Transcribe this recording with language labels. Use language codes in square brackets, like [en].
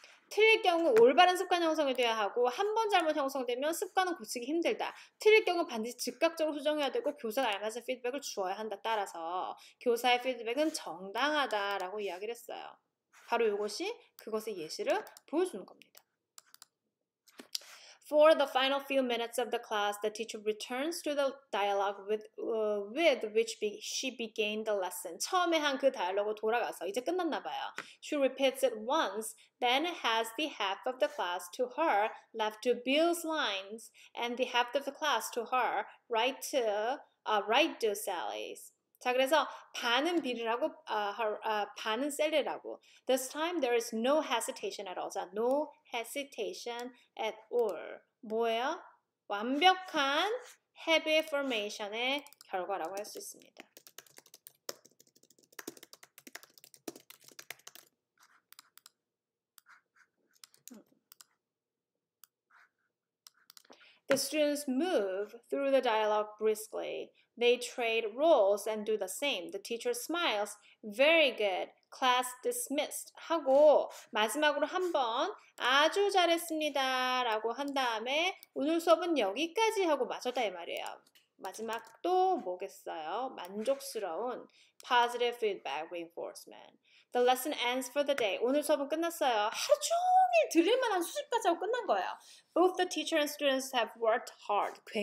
[ko] 틀릴 경우 올바른 습관 형성이 돼야 하고 한번 잘못 형성되면 습관은 고치기 힘들다. 틀릴 경우 반드시 즉각적으로 수정해야 되고 교사가 알맞은 피드백을 주어야 한다. 따라서 교사의 피드백은 정당하다라고 이야기를 했어요. 바로 이것이 그것의 예시를 보여주는 겁니다. [en] For the final few minutes of the class, the teacher returns to the dialogue with which she began the lesson. [ko] 처음에 한 그 다이얼로그 돌아가서 이제 끝났나 봐요. [en] She repeats it once, then has the half of the class to her left to Bill's lines, and the half of the class to her right to Sally's. [ko] 자 그래서 반은 빌이라고 반은 셀리라고. [en] This time there is no hesitation at all. 자, no hesitation at all. [ko] 뭐예요? 완벽한 habit formation의 결과라고 할 수 있습니다. [en] The students move through the dialogue briskly. They trade roles and do the same. The teacher smiles. Very good. Class dismissed. [ko] 하고 마지막으로 한 번 아주 잘했습니다. 라고 한 다음에 오늘 수업은 여기까지 하고 마쳤다 이 말이에요. 마지막 또 뭐겠어요? 만족스러운 positive feedback reinforcement. [en] The lesson ends for the day. [ko] 오늘 수업은 끝났어요. 하루 종일 들을만한 수집까지 하고 끝난 거예요. [en] Both the teacher and students have worked hard.